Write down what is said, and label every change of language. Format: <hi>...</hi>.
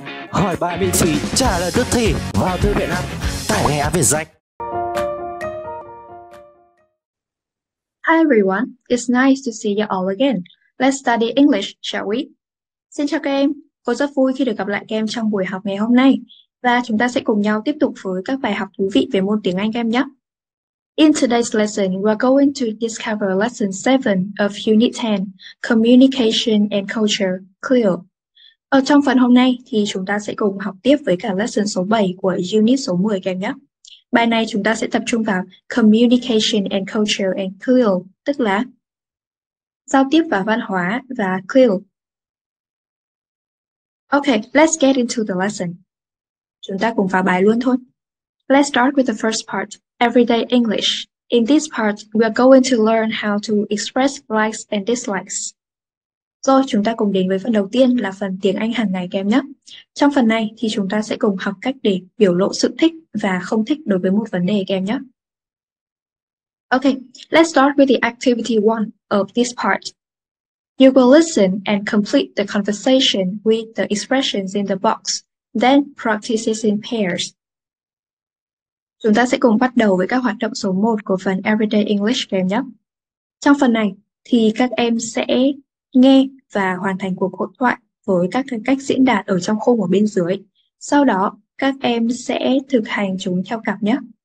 <vi>Hỏi bài miễn phí, trả lời tức thì vào thư viện app, tải ngay app về danh.</vi> <en>Hi everyone, it's nice to see you all again. Let's study English, shall we?</en> <vi>Xin chào các em, cô rất vui khi được gặp lại các em trong buổi học ngày hôm nay. Và chúng ta sẽ cùng nhau tiếp tục với các bài học thú vị về môn tiếng Anh các em nhé.</vi> <en>In today's lesson, we're going to discover lesson 7 of unit 10, Communication and Culture, CLEAR.</en> <vi>Ở trong phần hôm nay thì chúng ta sẽ cùng học tiếp với cả lesson số 7 của unit số 10 các em nhé. Bài này chúng ta sẽ tập trung vào Communication and Culture and CLEAR, tức là giao tiếp và văn hóa và CLEAR.</vi> <en>Okay, let's get into the lesson.</en> <vi>Chúng ta cùng vào bài luôn thôi.</vi> <en>Let's start with the first part, Everyday English. In this part, we are going to learn how to express likes and dislikes.</en> <vi>Rồi, chúng ta cùng đến với phần đầu tiên là phần tiếng Anh hàng ngày kèm nhé. Trong phần này thì chúng ta sẽ cùng học cách để biểu lộ sự thích và không thích đối với một vấn đề kèm nhé.</vi> <en>Ok, let's start with the activity 1 of this part. You will listen and complete the conversation with the expressions in the box, then practice it in pairs.</en> <vi>Chúng ta sẽ cùng bắt đầu với các hoạt động số 1 của phần Everyday English kèm nhé. Trong phần này thì các em sẽ nghe và hoàn thành cuộc hội thoại với các cách diễn đạt ở trong khung ở bên dưới. Sau đó, các em sẽ thực hành chúng theo cặp nhé.</vi>